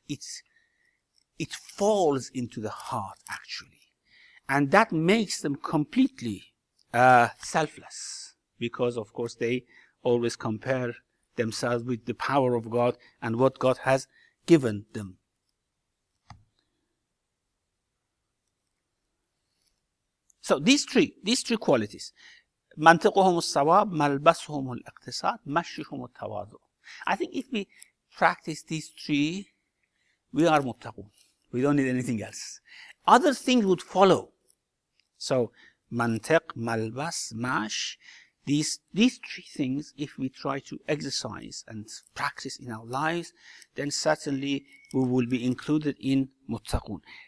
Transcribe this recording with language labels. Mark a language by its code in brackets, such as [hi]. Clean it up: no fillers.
[en] It falls into the heart, actually. And that makes them completely selfless, because, of course, they always compare themselves with the power of God and what God has given them. So these three qualities, [ar] منطقهم الصواب, ملبسهم الاقتصاد, مشيهم التواضع. [en] I think if we practice these three, we are muttaqun. We don't need anything else. Other things would follow. So منطق, ملبس, مش, these three things, if we try to exercise and practice in our lives, then certainly we will be included in muttaqun.